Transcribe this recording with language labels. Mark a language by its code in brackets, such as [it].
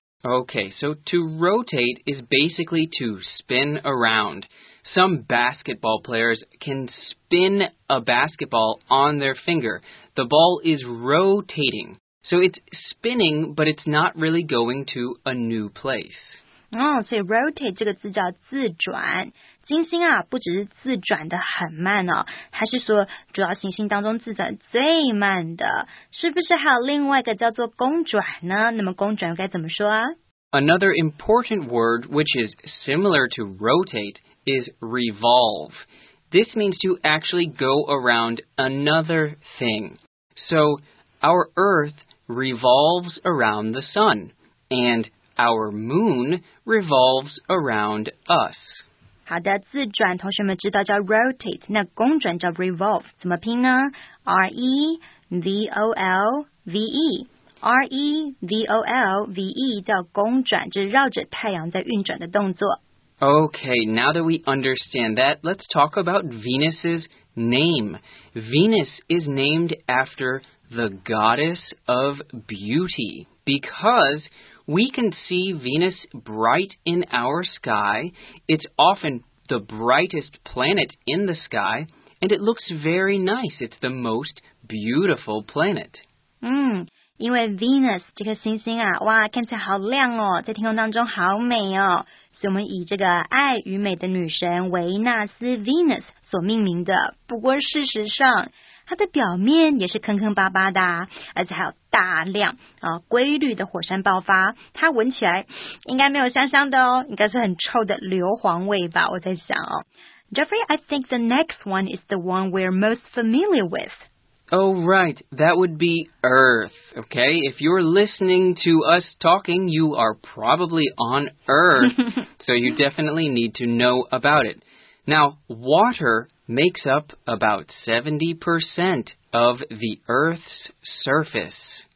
[en] ？Okay, so to rotate is basically to spin around. Some basketball players can spin a basketball on their finger. The ball is rotating. So it's spinning, but it's not really going to a new place. [zh] 所以 rotate 这个字叫自转。金星啊，不只是自转得很慢哦，它是说主要行星当中自转最慢的。是不是还有另外一个叫做公转呢？那么公转该怎么说啊？ [en] Another important word which is similar to rotate is revolve. This means to actually go around another thing. So our Earth revolves around the sun, and our moon revolves around us. [zh] 好的，自转同学们知道叫 rotate, 那公转叫 revolve, 怎么拼呢 ?R-E-V-O-L-V-E。 R-E-V-O-L-V-E 叫公转，就是绕着太阳在运转的动作。 [en] Okay, now that we understand that, let's talk about Venus's name. Venus is named after the goddess of beauty because we can see Venus bright in our sky. It's often the brightest planet in the sky, and it looks very nice. It's the most beautiful planet. [zh] 因为 Venus 这颗星星啊，哇，看起来好亮哦，在天空当中好美哦，所以我们以这个爱与美的女神维纳斯 Venus 所命名的。不过事实上，它的表面也是坑坑巴巴的，而且还有大量规律的火山爆发。它闻起来应该没有香香的哦，应该是很臭的硫磺味吧，我在想哦。 [en] Jeffrey, I think the next one is the one we're most familiar with. Oh, right. That would be Earth, okay? If you're listening to us talking, you are probably on Earth, so you definitely need to know about it. Now, water makes up about 70% of the Earth's surface.